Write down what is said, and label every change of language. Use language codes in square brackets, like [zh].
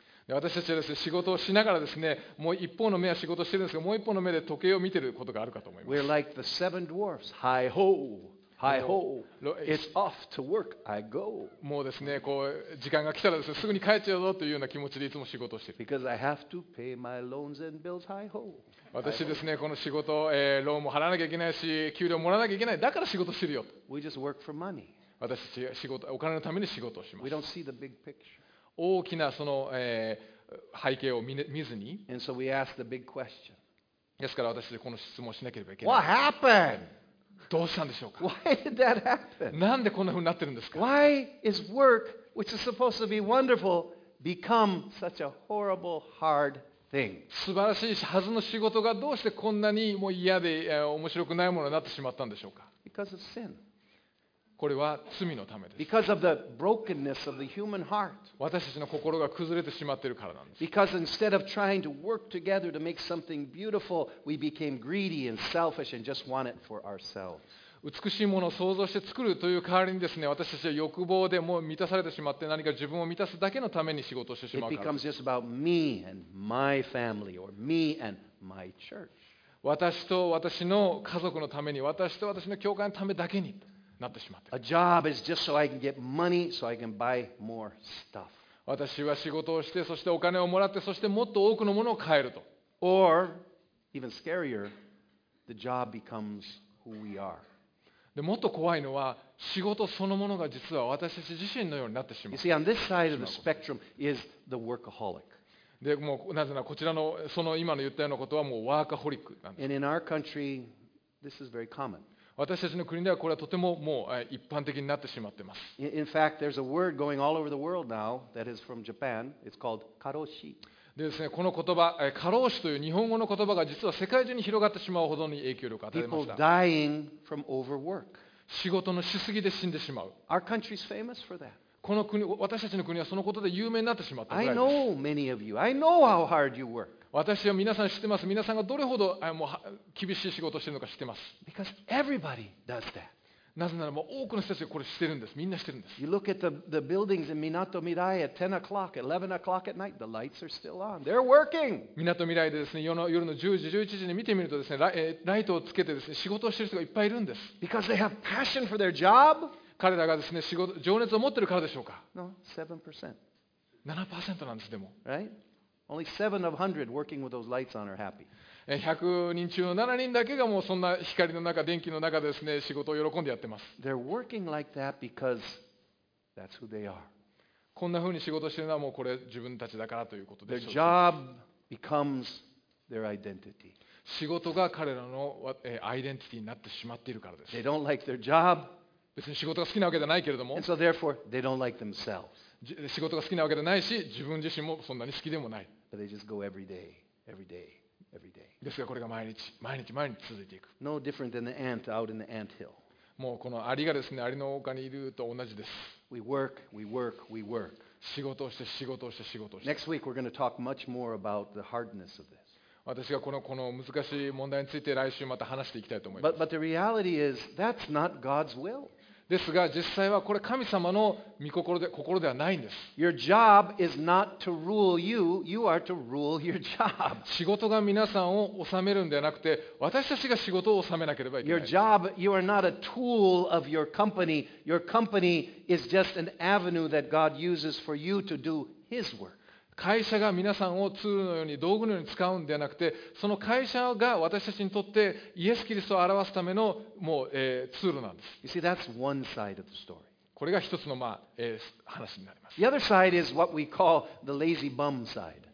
[ja] 私たちはですね、仕事をしながらですね、もう一方の目は仕事をしているんですが、もう一方の目で時計を見ていることがあるかと思います。 [en] We're like the seven dwarfs. Hi ho, hi ho. It's off to work. I go. [ja] もうですね、こう時間が来たらですね、すぐに帰っちゃうぞというような気持ちでいつも仕事をしている。 [en] Because I have to pay my loans and bills. Hi ho. [ja] 私ですね、この仕事、ローンも払わなきゃいけないし、給料もらわなきゃいけない、だから仕事してるよ。 [en] We just work for money. [ja] 私たち仕事、お金のために仕事をします。 [en] We don't see the big picture. [ja] 大きなその、背景を 見ずに。 [en] And so we ask the big question. [ja] ですから私でこの質問をしなければいけない。 [en] What happened? [ja] どうしたんでしょうか? [en] Why did that happen? [ja] なんでこんな風になってるんですか? [en] Why is work, which is supposed to be wonderful, become such a horrible, hard thing? [ja] 素晴らしいはずの仕事がどうしてこんなにもう嫌で面白くないものになってしまったんでしょうか。 [en] Because of sin. [ja] これは罪のためです。 [en] Because of the brokenness of the human heart. [ja] 私たちの心が崩れてしまっているからなんです。 [en] Because instead of trying to work together to make something beautiful, we became greedy and selfish and just want it for ourselves. [ja] 美しいものを創造して作るという代わりにですね、私たちは欲望でもう満たされてしまって、何か自分を満たすだけのために仕事をしてしまうからです。 [en] It becomes just about me and my family or me and my church. [ja] 私と私の家族のために、私と私の教会のためだけに。なってしまっている [en] 。 A job is just so I can get money so I can buy more stuff. [ja] 私は仕事をして、そしてお金をもらって、そしてもっと多くのものを買えると。 [en] Or even scarier, the job becomes who we are. [ja] でもっと怖いのは、仕事そのものが実は私たち自身のようになってしまう。 [en] You see, on this side of the spectrum is the workaholic. [ja] でもうなぜならこちらのその今の言ったようなことはもうワーカホリックなんです。 [en] And in our country, this is very common. [ja] 私たちの国ではこれはとてももう一般的になってしまっています。 [en] In fact, there's a word going all over the world now that is from Japan. It's called 過労死。 [ja] でですね、この言葉、過労死という日本語の言葉が実は世界中に広がってしまうほどに影響力を与えました。 [en] People dying from overwork. [ja] 仕事のしすぎで死んでしまう。 [en] Our country's famous for that. [ja] この国、私たちの国はそのことで有名になってしまったぐらいです。 [en] I know many of you. I know how hard you work. [ja] 私は皆さん知ってます。皆さんがどれほどもう厳しい仕事をしているのか知ってます。 [en] Because everybody does that. [ja] なぜならもう多くの人たちがこれしてるんです。みんなしてるんです。 [en] You look at the buildings in Minato-Mirai at 10 o'clock, 11 o'clock at night, the lights are still on. They're working. [ja] Minato-Mirai でですね、夜の10時、11時に見てみるとですね、ライトをつけてですね、仕事をしている人がいっぱいいるんです。 [en] Because they have passion for their job. [ja] 彼らがですね、仕事、情熱を持ってるからでしょうか。 [en] No, 7%. [ja] 7% なんですでも。 [en] Right? Only 7 of 100 working with those lights on are happy. [ja] 100人中の7人だけがもうそんな光の中、電気の中でですね、仕事を喜んでやってます。 [en] They're working like that because that's who they are. [ja] こんな風に仕事してるのはもうこれ自分たちだからということでしょう。 [en] Their job becomes their identity. [ja] 仕事が彼らのアイデンティティになってしまっているからです。 [en] They don't like their job. [ja] 別に仕事が好きなわけではないけれども、 [en] And so therefore, they don't like themselves. [ja] 仕事が好きなわけではないし、自分自身もそんなに好きでもない。 [en] But they just go every day, every day, every day. [ja] ですがこれが毎日、毎日、毎日続いていく。 [en] No different than the ant out in the ant hill. [ja] もうこのアリがですね、アリの丘にいると同じです。 [en] We work, we work, we work. [ja] 仕事をして、仕事をして、仕事をして。 [en] Next week, we're going to talk much more about the hardness of this. [ja] 私がこの難しい問題について来週また話していきたいと思います。 [en] But the reality is, that's not God's will. [ja] ですが実際はこれ神様の御心で、心ではないんです。 [en] Your job is not to rule you, you are to rule your job. [ja] 仕事が皆さんを治めるんではなくて、私たちが仕事を治めなければいけない。 [en] Your job, you are not a tool of your company. Your company is just an avenue that God uses for you to do His work. [ja] 会社が皆さんをツールのように道具のように使うんではなくて、その会社が私たちにとってイエス・キリストを表すためのもう、ツールなんです。 [en] You see, that's one side of the story. [ja] これが一つの、話になります。 [en] The other side is what we call the lazy bum side.